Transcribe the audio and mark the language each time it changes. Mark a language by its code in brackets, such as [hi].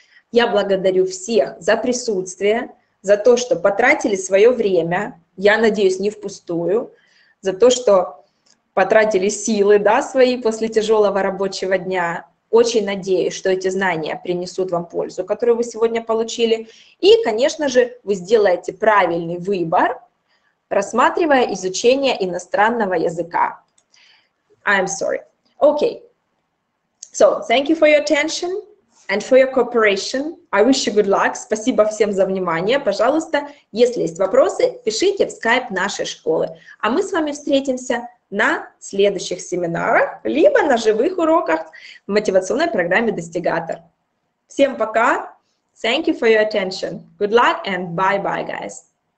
[ru] Я благодарю всех за присутствие, за то, что потратили свое время, я надеюсь, не впустую, за то, что потратили силы, да, свои после тяжелого рабочего дня. Очень надеюсь, что эти знания принесут вам пользу, которую вы сегодня получили. И, конечно же, вы сделаете правильный выбор, рассматривая изучение иностранного языка. [en] I'm sorry. Okay. So, thank you for your attention and for your cooperation. I wish you good luck. [ru] Спасибо всем за внимание. Пожалуйста, если есть вопросы, пишите в Skype нашей школы. А мы с вами встретимся на следующих семинарах, либо на живых уроках в мотивационной программе «Достигатор». Всем пока! [en] Thank you for your attention. Good luck and bye-bye, guys!